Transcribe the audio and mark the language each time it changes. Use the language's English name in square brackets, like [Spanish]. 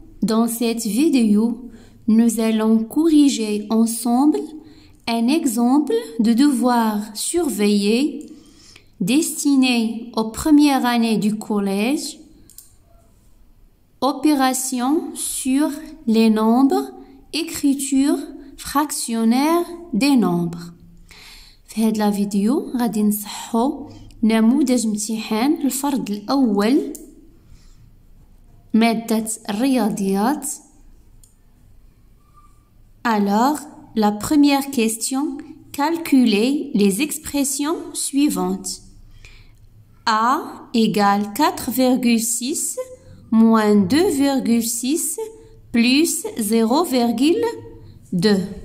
[French] Dans cette vidéo, nous allons corriger ensemble un exemple de devoir surveillé destiné aux premières années du collège, opération sur les nombres, écriture fractionnaire des nombres. Faites la vidéo, [Arabic] غادي نصحو نموذج امتحان الفرد الأول مادة الرياضيات. [French] Alors, la première question, calculez les expressions suivantes. A égale 4,6 moins 2,6 plus 0,2.